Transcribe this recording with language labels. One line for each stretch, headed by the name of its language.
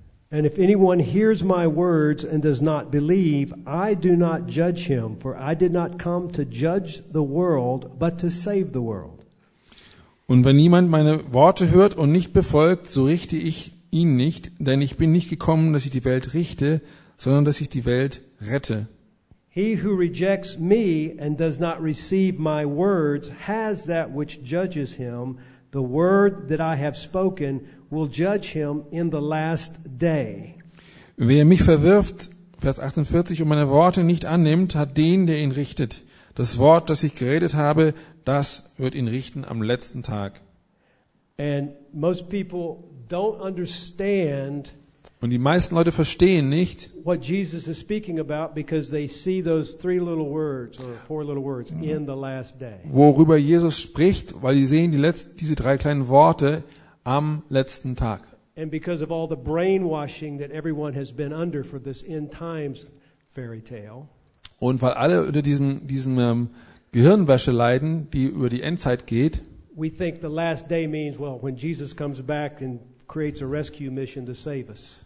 English: And if anyone hears my words and does not believe, I do not judge him, for I did not come to judge the world, but to save the world.
German: Und wenn jemand meine Worte hört und nicht befolgt, so richte ich ihn nicht, denn ich bin nicht gekommen, dass ich die Welt richte, sondern dass ich die Welt rette.
English: He who rejects me and does not receive my words has that which judges him. The word that I have spoken will judge him in the last day.
German: Wer mich verwirft, Vers 48, und meine Worte nicht annimmt, hat den, der ihn richtet. Das Wort, das ich geredet habe, das wird ihn richten am letzten Tag.
English: And most people don't understand.
German: Und die meisten Leute verstehen nicht,
English: what Jesus is speaking about, because they see those three little words or four little words in the last day.
German: Worüber Jesus spricht, weil sie sehen diese drei kleinen Worte am letzten Tag.
English: And because of all the brainwashing that everyone has been under for this end times fairy tale.
German: Und weil alle unter diesem Gehirnwäsche leiden, die über die Endzeit geht.
English: We think the last day means, well, when Jesus comes back and creates a rescue mission to save us.